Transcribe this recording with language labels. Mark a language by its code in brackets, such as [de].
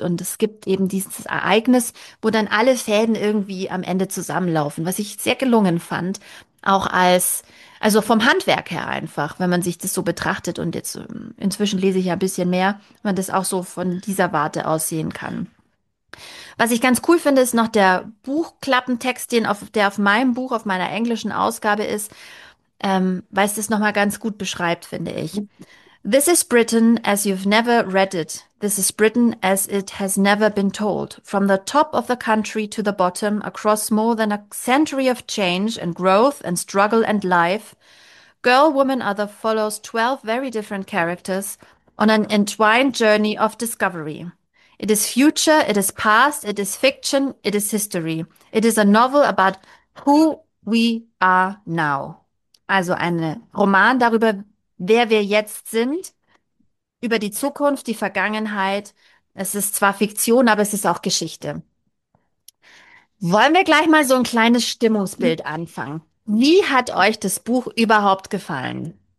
[de] Und es gibt eben dieses Ereignis, wo dann alle Fäden irgendwie am Ende zusammenlaufen, was ich sehr gelungen fand, auch als, also vom Handwerk her einfach, wenn man sich das so betrachtet und jetzt inzwischen lese ich ja ein bisschen mehr, wenn man das auch so von dieser Warte aus sehen kann. Was ich ganz cool finde, ist noch der Buchklappentext, der auf meinem Buch, auf meiner englischen Ausgabe ist, weil es das nochmal ganz gut beschreibt, finde ich. [en] This is Britain as you've never read it. This is Britain as it has never been told. From the top of the country to the bottom, across more than a century of change and growth and struggle and life, Girl, Woman, Other follows 12 very different characters on an entwined journey of discovery. It is future, it is past, it is fiction, it is history. It is a novel about who we are now. [de] Also ein Roman darüber, wer wir jetzt sind, über die Zukunft, die Vergangenheit. Es ist zwar Fiktion, aber es ist auch Geschichte. Wollen wir gleich mal so ein kleines Stimmungsbild anfangen? Wie hat euch das Buch überhaupt gefallen?